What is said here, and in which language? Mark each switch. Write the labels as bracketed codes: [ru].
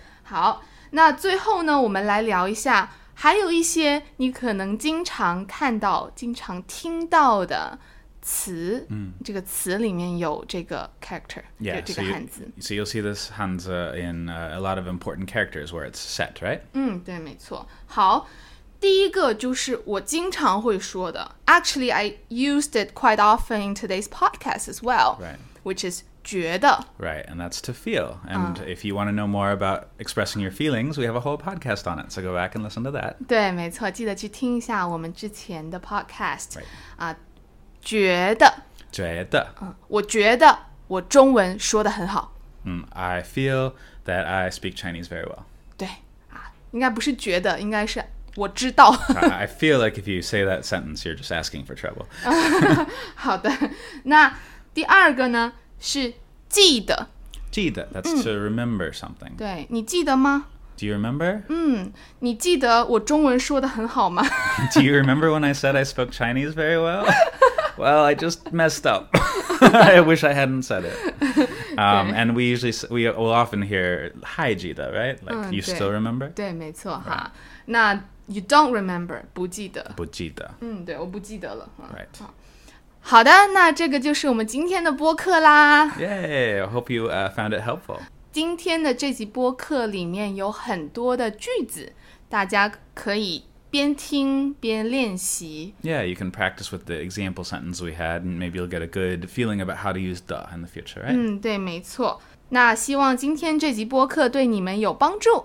[zh] 好,那最后呢我们来聊一下还有一些你可能经常看到经常听到的词、这个词里面有这个 character [en] yeah, [zh] 有这个汉字 [en] so you'll see this 汉字 in a lot of important characters where it's set, right? [zh] 对没错好第一个就是我经常会说的 [en] Actually, I used it quite often in today's podcast as well Right. Which is 觉得 Right, and that's to feel And if you want to know more about expressing your feelings We have a whole podcast on it So go back and listen to that [zh] 对没错记得去听一下我们之前的 podcast [en] Right [zh] 觉得觉得我觉得我中文说得很好 [en] I feel that I speak Chinese very well [zh] 对应该不是觉得应该是我知道 [en] I feel like if you say that sentence you're just asking for trouble [zh] 好的那第二个呢是记得 [en] 记得 that's to remember something [zh] 对你记得吗 [en] Do you remember? [zh] 你记得我中文说得很好吗 [en] Do you remember when I said I spoke Chinese very well? Well, I just messed up. I wish I hadn't said it. And we will often hear, 还记得, right? Like, you still remember? [zh] 对，没错，哈。那 [en] you don't remember, [zh] 不记得。不记得。嗯，对，我不记得了。 [en] Right. [zh] 好的，那这个就是我们今天的播客啦。 [en] Yay, I hope you found it helpful. [zh] 今天的这集播客里面有很多的句子，大家可以边听边练习。 [en] Yeah, you can practice with the example sentence we had, and maybe you'll get a good feeling about how to use the in the future, right? [zh] 嗯，对，没错。那希望今天这集播客对你们有帮助。